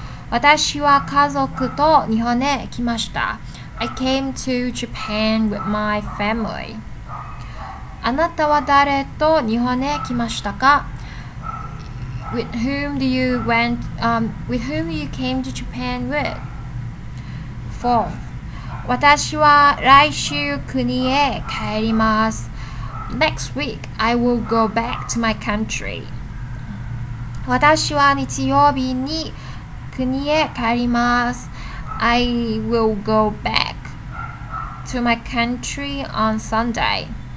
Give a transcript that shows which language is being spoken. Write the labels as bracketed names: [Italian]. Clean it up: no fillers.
[Japanese] 私は家族と日本へ来ました。 [English] I came to Japan with my family. [Japanese] あなたは誰と日本へ来ましたか? [English] With whom do you went, with whom you came to Japan with? Four. [Japanese] 私は来週国へ帰ります。 [English] Next week, I will go back to my country. [Japanese] 私は日曜日に国へ帰ります。 [English] I will go back to my country on Sunday.